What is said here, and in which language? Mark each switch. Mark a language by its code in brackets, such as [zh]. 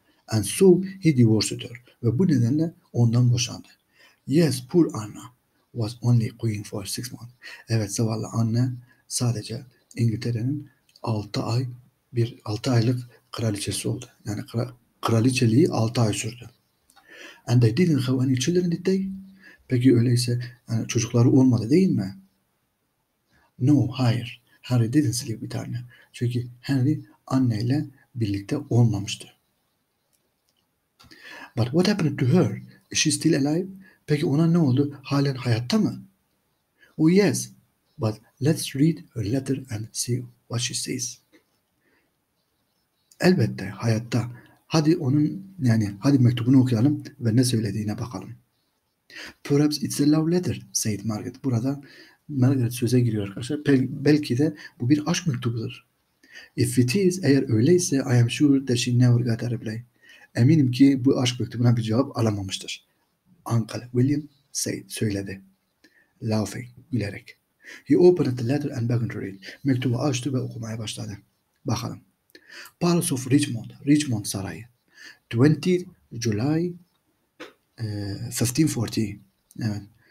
[en] And so he divorced her. [tr] Ve bu nedenle ondan boşandı. [en] Yes, poor Anna was only queen for 6 months. [tr] Evet, zavallı anne sadece İngiltere'nin 6 aylık kraliçesi oldu. Yani kraliçeliği 6 ay sürdü. [en] And they didn't have any children, did they? [tr] Peki öyleyse yani çocukları olmadı değil mi? No, hayır. [en] Harry didn't sleep with Anna. [tr] Çünkü Henry anneyle birlikte olmamıştı. [en] But what happened to her? Is she still alive? [tr] Peki ona ne oldu? Halen hayatta mı? [en] Oh yes. But let's read her letter and see what she says. [tr] Elbette hayatta. Hadi onun yani hadi mektubunu okuyalım ve ne söylediğine bakalım. [en] Perhaps it's a love letter, said Margaret. [tr] Burada Margaret söze giriyor arkadaşlar. Belki de bu bir aşk mektubudur. [en] If it is, [tr] eğer öyleyse, [en] I am sure that she never got a reply. [tr] Eminim ki bu aşk mektubuna bir cevap alamamıştır. [en] Uncle William said, söyledi. Laughing, gülerek. He opened the letter and began to read. [tr] Mektubu açtı ve okumaya başladı. Bakalım. [en] Palace of Richmond, [tr] Richmond Sarayı. [en] 20 July 1540. Evet.